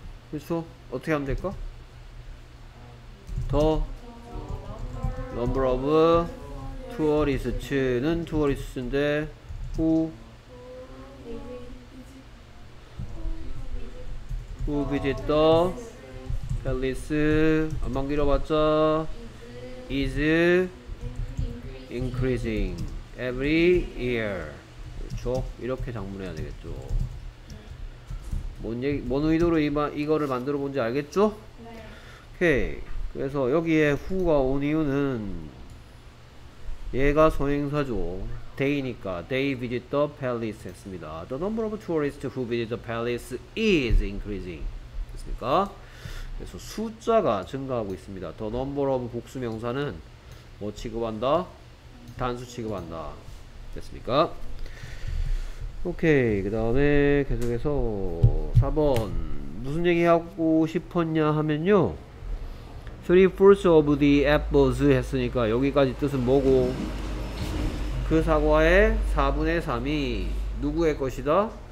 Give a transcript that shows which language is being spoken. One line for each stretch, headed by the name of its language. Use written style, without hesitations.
Korean: 그쵸? 어떻게 하면 될까?
English: The number of tourists는 tourists인데 who visit the palace
Korean: 안만 길어봤자
English: is increasing every year
Korean: 그쵸? 이렇게 작문해야 되겠죠 뭔 얘기, 뭔 의도로 이거를 만들어 본지 알겠죠? 네. 오케이. 그래서 여기에 who가 온 이유는 얘가 소행사죠.
English: day니까. they visit the palace
Korean: 했습니다.
English: the number of tourists who visit the palace is increasing.
Korean: 됐습니까? 그래서 숫자가 증가하고 있습니다.
English: the number of
Korean: 복수명사는 뭐 취급한다? 단수 취급한다. 됐습니까? 오케이 그 다음에 계속해서 4번 무슨 얘기 하고 싶었냐 하면요
English: 3/4 of the apples
Korean: 했으니까 여기까지 뜻은 뭐고 그 사과의 4분의 3이 누구의 것이다?